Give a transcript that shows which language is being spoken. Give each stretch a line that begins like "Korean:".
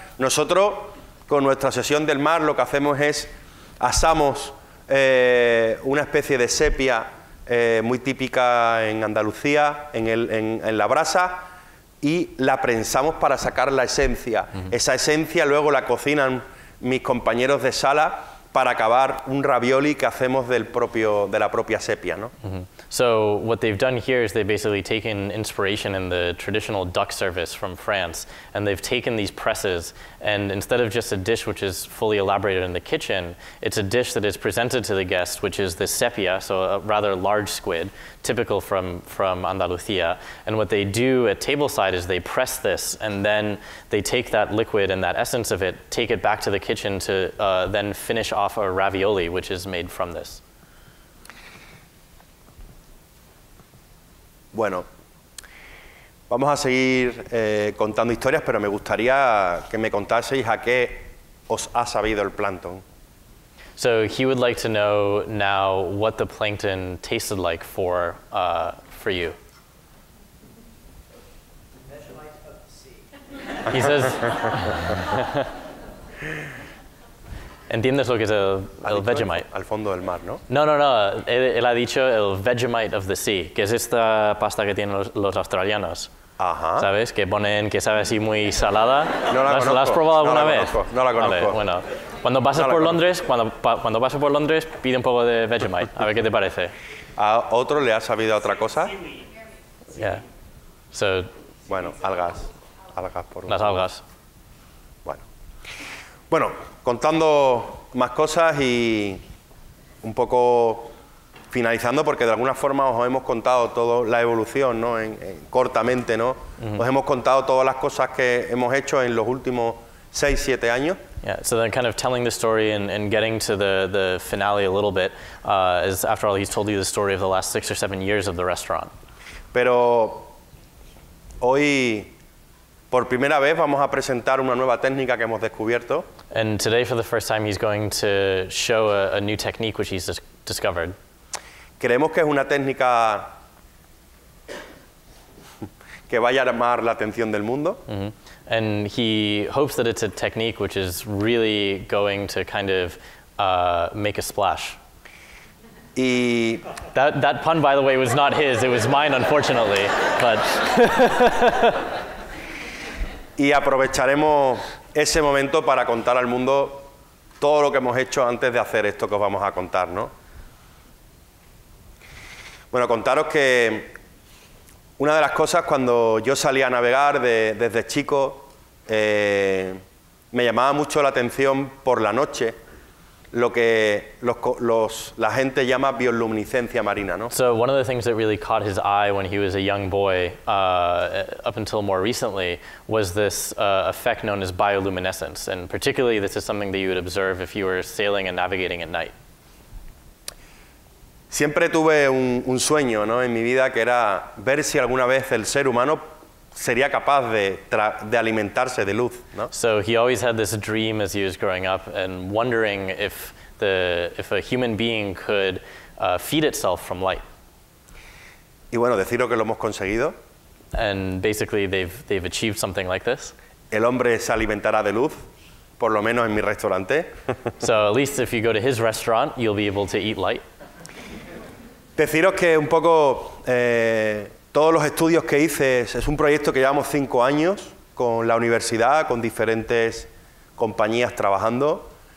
Spanish: Nosotros, con nuestra sesión del mar, lo que hacemos es asamos una especie de sepia muy típica en Andalucía, en la brasa, y la prensamos para sacar la esencia. Uh-huh. Esa esencia luego la cocinan mis compañeros de sala para acabar un ravioli que hacemos de la propia sepia, ¿no? Mm-hmm.
English: So what they've done here is they've basically taken inspiration in the traditional duck service from France, and they've taken these presses, and instead of just a dish which is fully elaborated in the kitchen, it's a dish that is presented to the guest, which is the sepia, so a rather large squid, typical from Andalucía. And what they do at tableside is they press this, and then they take that liquid and that essence of it, take it back to the kitchen to then finish off a ravioli, which is made from this.
Spanish: Bueno, vamos a seguir contando historias, pero me gustaría que me contaseis a qué os ha sabido el plancton.
English: So he would like to know now what the plankton tasted like for you. He says,
Spanish: ¿entiendes lo que es el Vegemite? Al fondo del mar, ¿no? No. Él ha dicho el Vegemite
English: of the sea,
Spanish: que es esta pasta que tienen los australianos. Ajá. ¿Sabes? Que ponen, que sabe así muy salada. No la conozco. ¿La has probado alguna vez? No la conozco. Vale, bueno. Cuando pases por Londres, pide un poco de Vegemite, a ver qué te parece. ¿A otro le ha sabido otra cosa?
English: Yeah. So,
Spanish: bueno, algas. Algas por un las poco. Algas. Bueno. Contando más cosas y un poco finalizando, porque de alguna forma os hemos contado toda la evolución, ¿no? Cortamente, ¿no? Mm-hmm. Os hemos contado todas las cosas que hemos hecho en los últimos 6-7 años.
English: Yeah, so then kind of telling the story and getting to the finale a little bit, is after all he's told you the story of the last 6 or 7 years of the restaurant.
Spanish: Pero hoy, por primera vez, vamos a presentar una nueva técnica que hemos descubierto.
English: And today, for the first time, he's going to show a new technique which he's discovered.
Spanish: Creemos que es una técnica que va a llamar la atención del mundo. Mm-hmm.
English: And he hopes that it's a technique which is really going to kind of make a splash.
Spanish: Y
English: that pun, by the way, was not his. It was mine, unfortunately. But
Spanish: y aprovecharemos ese momento para contar al mundo todo lo que hemos hecho antes de hacer esto que os vamos a contar, ¿no? Bueno, contaros que una de las cosas, cuando yo salí a navegar desde chico, me llamaba mucho la atención por la noche lo que la gente llama bioluminiscencia marina, ¿no?
English: So one of the things that really caught his eye when he was a young boy, up until more recently, was this effect known as bioluminescence, and particularly this is something that you would observe if you were sailing and navigating at night.
Spanish: Siempre tuve un sueño, ¿no? En mi vida, que era ver si alguna vez el ser humano sería capaz de alimentarse de luz, ¿no?
English: So he always had this dream as he was growing up and wondering if a human being could feed itself from light.
Spanish: Y bueno, deciros que lo hemos conseguido.
English: And basically they've achieved something like this.
Spanish: El hombre se alimentará de luz, por lo menos en mi restaurante.
English: So at least if you go to his restaurant, you'll be able to eat light.
Spanish: Deciros que un poco todos los estudios que hice, es un proyecto que llevamos 5 años con la universidad, con diferentes compañías trabajando,